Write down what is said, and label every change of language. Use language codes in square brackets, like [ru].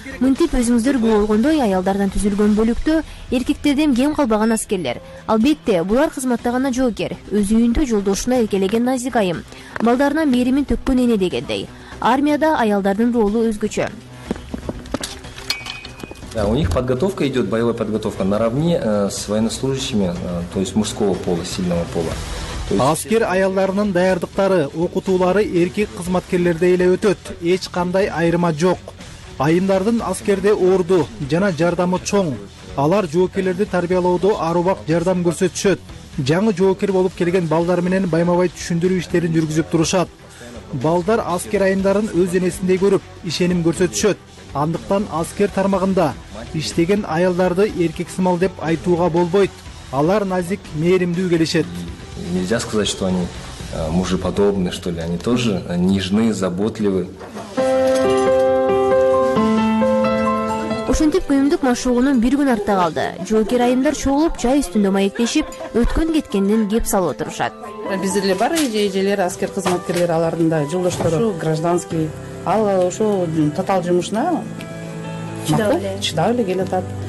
[ky] Мынтип өзүңүздөр көргөндөй, аялдардан түзүлгөн бөлүктө эркектерден кем калбаган аскерлер. Албетте, булар кызматта гана жоокер. Өз үйүндө жолдошуна эркелеген назик айым, балдарына мээримин төккөн эне дегендей. Армияда аялдардын ролу өзгөчө. [ru] Да, у них подготовка идет, боевая подготовка наравне с военнослужащими, то есть мужского пола, сильного пола. [ky] Аскер аялдарынын даярдыктары, окутуулары эркек кызматкерлердей эле өтөт. Эч кандай айырма жок. Айымдардын аскерде орду жана жардамы чоң. Алар жоокерлерди тарбиялоодо арубак жардам көрсөтүшөт. Жаңы жоокер болуп келген балдар менен баймабай түшүндүрүү иштерин жүргүзүп турушат. Балдар аскер айымдарын өз энесиндей көрүп, ишеним көрсөтүшөт. Андыктан аскер тармагында иштеген аялдарды эркек сымал деп айтууга болбойт. Алар назик, мээримдүү келишет. [ru] Нельзя сказать, что они мужеподобны, что ли. Они тоже нежны, заботливы. [ky] Ошентип күйүмдүк машыгуунун бир күн артта калды. Жоокер айымдар чогулуп, чай үстүндө маектешип, өткөн кеткенден кеп салып отурушат. Бизде эле бар эжелер, аскер кызматкерлер, алардын да жолдоштору, гражданский. Ал ошо татаал жумушуна чыдап эле келе атат.